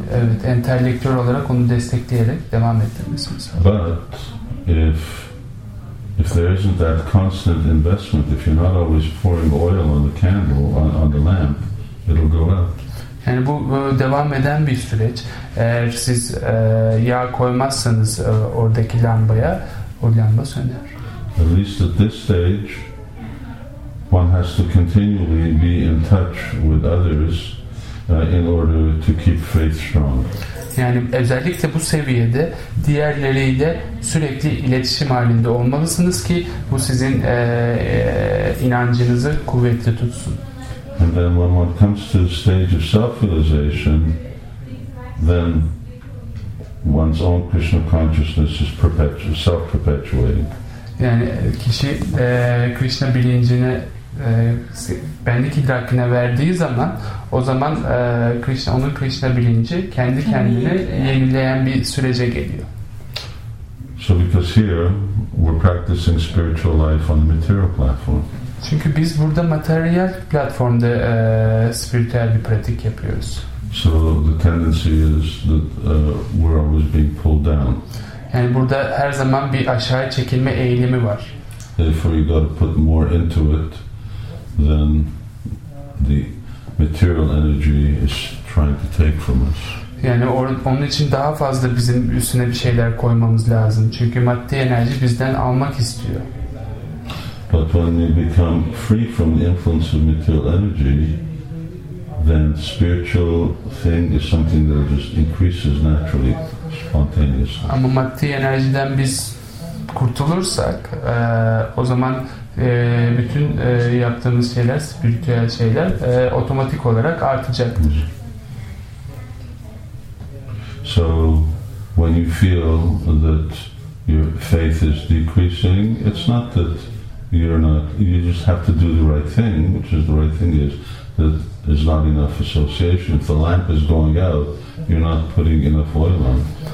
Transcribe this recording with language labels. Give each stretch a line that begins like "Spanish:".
Turkish: Evet, entelektüel olarak onu destekleyerek devam ettirmesini sağlıyor.
English: But if there isn't that constant investment, if you're not always pouring oil on the candle, on the lamp, it'll go out.
Turkish: Yani bu devam eden bir süreç. Eğer siz yağ koymazsanız oradaki lambaya, o lamba söner.
English: At least at this stage, one has to continually be in touch with others in order to keep faith strong.
Turkish: Yani özellikle bu seviyede diğerleriyle sürekli iletişim halinde olmalısınız ki bu sizin inancınızı kuvvetli tutsun.
English: And then when one comes to the stage of self-realization, then one's own Krishna consciousness is self-perpetuating.
Turkish: Yani kişi Krishna bilincini benlik idrakine verdiği zaman, o zaman Krishna, onun Krishna bilinci kendi kendini yenileyen bir sürece geliyor.
English: So because here we're practicing spiritual life on the material platform.
Turkish: Çünkü biz burada materyal platformda spiritüel bir pratik yapıyoruz.
English: So the tendency is that we're always being pulled down.
Turkish: Yani burada her zaman bir aşağı çekilme eğilimi var.
English: Therefore you got to put more into it than the material energy is trying to take from us.
Turkish: Yani onun için daha fazla bizim üstüne bir şeyler koymamız lazım. Çünkü maddi enerji bizden almak istiyor.
English: But when we become free from the influence of material energy, then spiritual thing is something that just increases naturally, spontaneously.
Turkish: Ama maddi enerjiden biz kurtulursak, o zaman bütün yaptığımız şeyler, spiritüel şeyler otomatik olarak artacak.
English: So when you feel that your faith is decreasing, it's not that you're not, you just have to do the right thing, which is the right thing is that there's not enough association. If the lamp is going out, you're not putting enough oil on.